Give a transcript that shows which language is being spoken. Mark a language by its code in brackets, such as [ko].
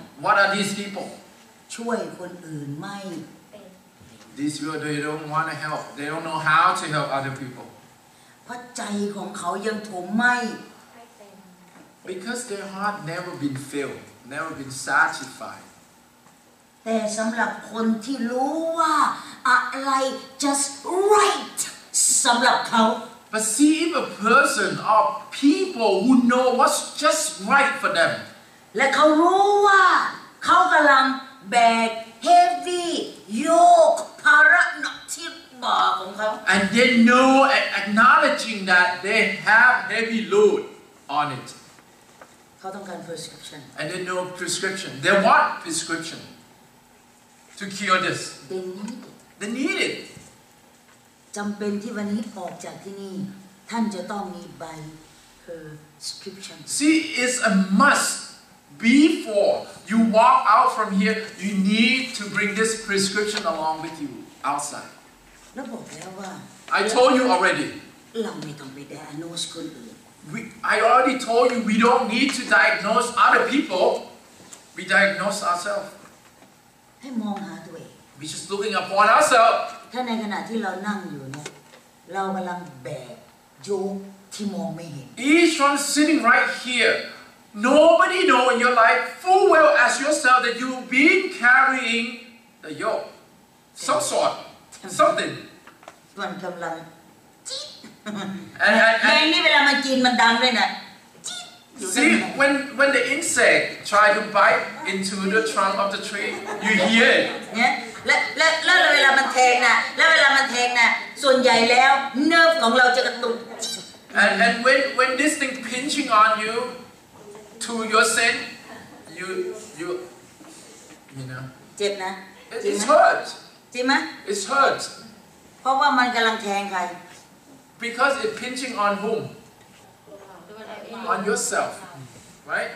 [en] What are these people? [th] ช่วยคนอื่นไม่ [en] These people they don't want to help. They don't know how to help other people. [th] เพราะใจของเขายังถมไม่ [en] Because their heart never been filled, never been satisfied. [th] แต่สำหรับคนที่รู้ว่าอะไร [en] just right [th] สำหรับเขา [en] But see if a person or people who know what's just right for them. [th] และเขารู้ว่าเขากำลังแบก heavy yoke ภาระหนักที่บ่าของเขา [en] And they know acknowledging that they have heavy load on it. [th] เขาต้องการ prescription. [en] And they know prescription. They want prescription to cure this. They need it. [th] จำเป็นที่วันนี้ออกจากที่นี่ท่านจะต้องมีใบ prescription [en] See it's a must before you walk out from here you need to bring this prescription along with you outside [th] แล้วบอกแล้วว่า [en] I told you already [th] เราไม่ต้องไปแดกอนุสคนอื่น [en] I already told you we don't need to diagnose other people we diagnose ourselves [th] ให้มองหาตัวเอง [en] We're just looking upon ourselves. [th] ถ้าในขณะที่เรานั่งอยู่เนี่ยเรากำลังแบกโยกที่มองไม่เห็น [en] Each one sitting right here, nobody know in your life full well as yourself that you've been carrying the yoke, some sort, something. [th] มันกำลังจี๊ดแมงนี่เวลามันกินมันดังด้วยนะ [en] See, when the insect try to bite into the trunk of the tree, you hear it. Yeah. [th] แล้วเวลามันแทงน่ะแล้วเวลามันแทงน่ะส่วนใหญ่แล้วเนิร์ฟของเราจะกระตุก [en] And when this thing pinching on you to your skin, you know. [th] เจ็บนะ [en] It's hurt. [th] จริงไ [en] หม It's hurt. [th] เพราะว่ามันกำลังแทงใคร [en] Because it pinching on whom? On yourself, right?